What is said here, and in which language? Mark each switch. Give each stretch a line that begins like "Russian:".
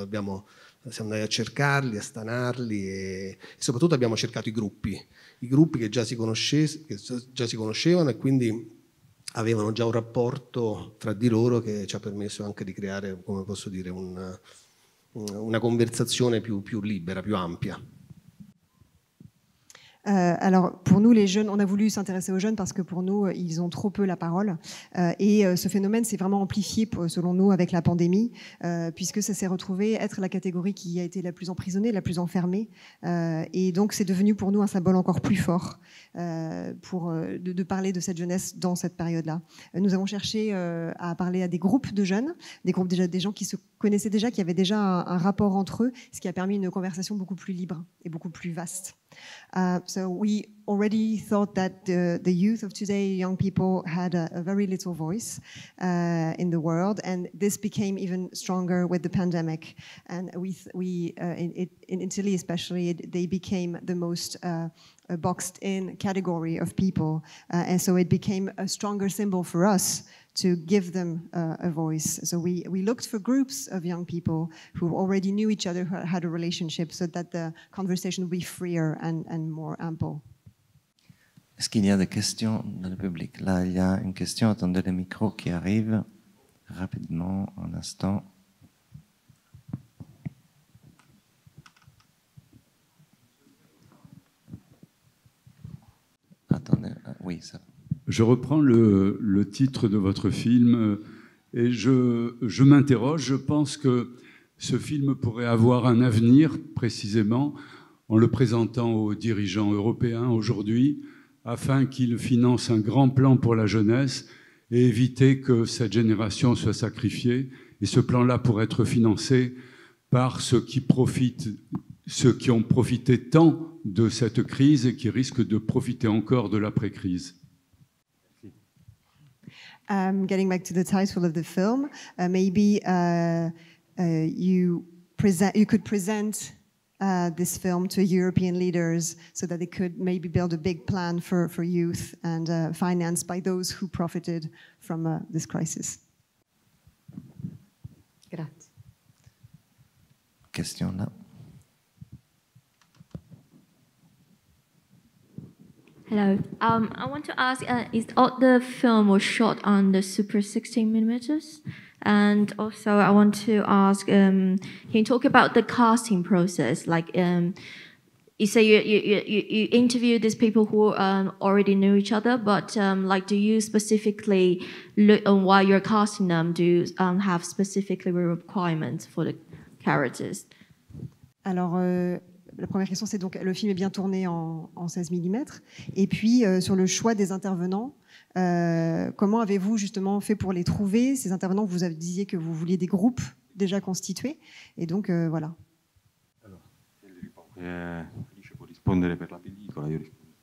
Italian: Siamo andati a cercarli, a stanarli, e soprattutto abbiamo cercato i gruppi che già si conoscevano, e quindi avevano già un rapporto tra di loro che ci ha permesso anche di creare, come posso dire, una conversazione più libera, più ampia.
French: Alors, pour nous, les jeunes, on a voulu s'intéresser aux jeunes parce que pour nous, ils ont trop peu la parole. Et ce phénomène s'est vraiment amplifié, selon nous, avec la pandémie, puisque ça s'est retrouvé être la catégorie qui a été la plus emprisonnée, la plus enfermée. Et donc, c'est devenu pour nous un symbole encore plus fort pour de parler de cette jeunesse dans cette période-là. Nous avons cherché à parler à des groupes de jeunes, des groupes déjà, des gens qui se connaissaient déjà, qui avaient déjà un rapport entre eux, ce qui a permis une conversation beaucoup plus libre et beaucoup plus vaste.
English: So we already thought that the youth of today, young people, had a very little voice in the world, and this became even stronger with the pandemic. And in Italy especially, they became the most boxed in category of people, and so it became a stronger symbol for us to give them a voice. So we looked for groups of young people who already knew each other, who had a relationship, so that the conversation would be freer and more ample.
French: Est-ce qu'il y a des questions dans le public? Là, il y a une question. Attendez le micro qui arrive rapidement, un instant. Attendez. Oui, ça. Je reprends le titre de votre film et je m'interroge. Je pense que ce film pourrait avoir un avenir, précisément, en le présentant aux dirigeants européens aujourd'hui, afin qu'ils financent un grand plan pour la jeunesse et éviter que cette génération soit sacrifiée. Et ce plan-là pourrait être financé par ceux qui ont profité tant de cette crise et qui risquent de profiter encore de l'après-crise.
English: Getting back to the title of the film, maybe you could present this film to European leaders so that they could maybe build a big plan for youth and financed by those who profited from this crisis.
Italian: Grazie.
French: Question là.
English: Hello. I want to ask, is all the film was shot on the Super 16 millimeters? And also, I want to ask, can you talk about the casting process? Like, you say you interviewed these people who already knew each other, but like, do you specifically look on why you're casting them? Do you have specifically requirements for the characters?
French: Alors, la première question, c'est donc le film est bien tourné en 16 mm. Et puis, sur le choix des intervenants, comment avez-vous justement fait pour les trouver, ces intervenants? Vous disiez que vous vouliez des groupes déjà constitués. Et donc, voilà.
Italian: Alors, Alice può rispondere per la pellicola, io rispondo.